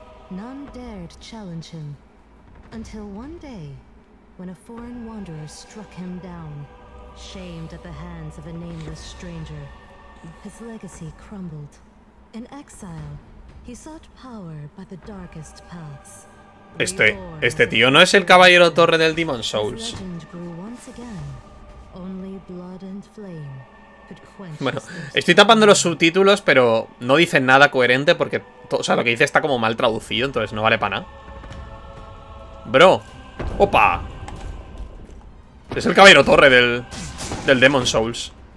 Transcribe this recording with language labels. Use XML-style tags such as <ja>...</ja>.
<en>None dared challenge him. Until one day, when a foreign wanderer struck him down, shamed at the hands of a nameless stranger, his legacy crumbled. In exile, he sought power by the darkest paths.</en> <es>Este tío no es el caballero torre del Demon Souls.</es> <en>His legend grew once again, only blood and flame.</en> <es>Bueno, estoy tapando los subtítulos, pero no dicen nada coherente porque todo, o sea, lo que dice está como mal traducido, entonces no vale para nada. Bro, opa. Es el caballero torre del Demon Souls.</es>